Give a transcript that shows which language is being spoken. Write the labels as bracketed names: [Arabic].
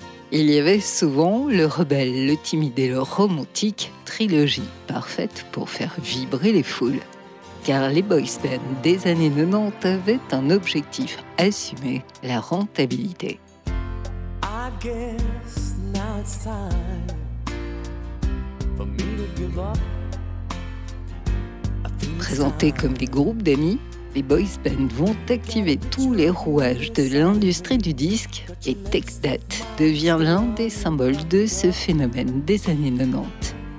[French] Il y avait souvent le rebelle, le timide et le romantique, trilogie parfaite pour faire vibrer les foules. Car les boys band des années 90 avaient un objectif, assumer la rentabilité. [English] I guess now it's time for me to give up. [French] Présentés comme des groupes d'amis, les boys band vont activer tous les rouages de l'industrie du disque et Take That devient l'un des symboles de ce phénomène des années 90.